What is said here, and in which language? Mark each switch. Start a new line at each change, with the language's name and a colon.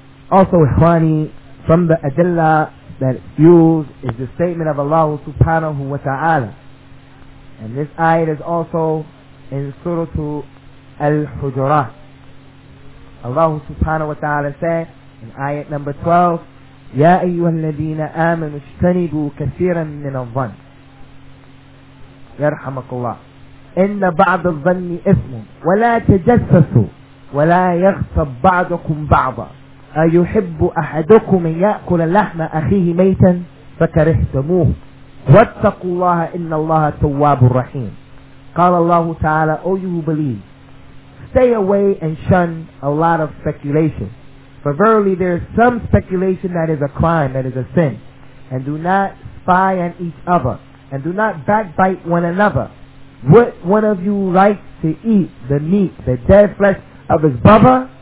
English: Also, ikhwani, from the adilla that it's used is the statement of Allah subhanahu wa ta'ala. And this ayat is also in Surah Al-Hujurat. Allah subhanahu wa ta'ala said in ayat number 12,
Arabic: يَا أَيُّهَا الَّذِينَ آمَنُوا اجْتَنِبُوا كَثِيرًا مِّنَ الظَّنِّ يَرْحَمَكَ اللَّهُ إِنَّ بَعْضَ الظَّنِّ إِثْمٌ وَلَا تَجَسَّسُوا وَلَا يَغْصَبْ بَعْضُكُمْ بَعْضًا أيحب أحدكم أن يأكل لحم أخيه ميتا فكرهتموه واتقوا الله إن الله تواب رحيم. قال الله تعالى,
English: O you who believe, stay away and shun a lot of speculation. For verily there is some speculation that is a crime, that is a sin. And do not spy on each other. And do not backbite one another. Would one of you like to eat the meat, the dead flesh of his brother?